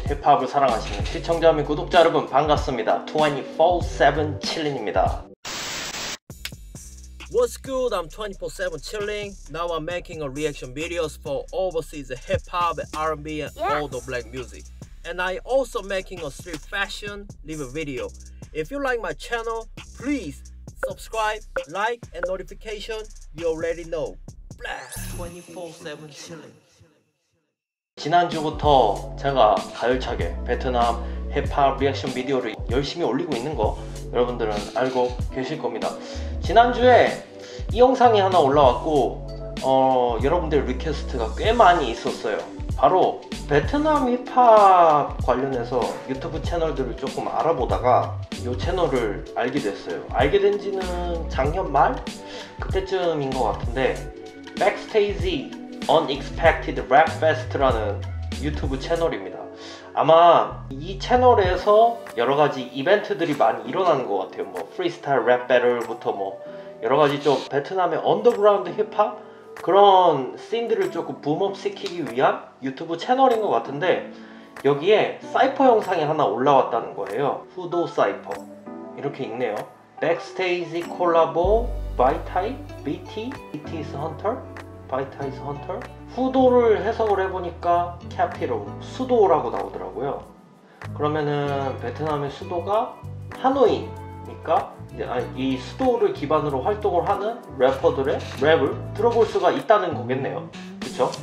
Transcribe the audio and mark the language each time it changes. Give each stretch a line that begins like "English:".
Korean: 힙합을 사랑하시는 시청자 및 구독자 여러분 반갑습니다. 24/7 chilling입니다.
English: What's good? I'm 24/7 chilling. Now I'm making a reaction videos for overseas hip-hop, R&B, and all the black music. And I also making a street fashion live video. If you like my channel, please subscribe, like, and notification. You already know. Blast 24/7 chilling.
Korean: 지난주부터 제가 가열차게 베트남 힙합 리액션 비디오를 열심히 올리고 있는 거 여러분들은 알고 계실 겁니다. 지난주에 이 영상이 하나 올라왔고 여러분들 리퀘스트가 꽤 많이 있었어요. 바로 베트남 힙합 관련해서 유튜브 채널들을 조금 알아보다가 요 채널을 알게 됐어요. 알게 된 지는 작년 말? 그때쯤인 것 같은데 백스테이지 Unexpected Rap Fest라는 유튜브 채널입니다. 아마 이 채널에서 여러가지 이벤트들이 많이 일어나는 것 같아요. 뭐 프리스타일 랩 배틀부터 뭐 여러가지 좀 베트남의 언더그라운드 힙합 그런 씬들을 조금 붐업 시키기 위한 유튜브 채널인 것 같은데 여기에 사이퍼 영상이 하나 올라왔다는 거예요. 후도 사이퍼 이렇게 읽네요.
English: Backstage Collabo by Type BT BT's Hunter Vitize Hunter?
Korean: 후도를 해석을 해보니까 캐피로 수도라고 나오더라고요. 그러면은 베트남의 수도가 하노이니까 이 수도를 기반으로 활동을 하는 래퍼들의 랩을 들어볼 수가 있다는 거겠네요. 그쵸?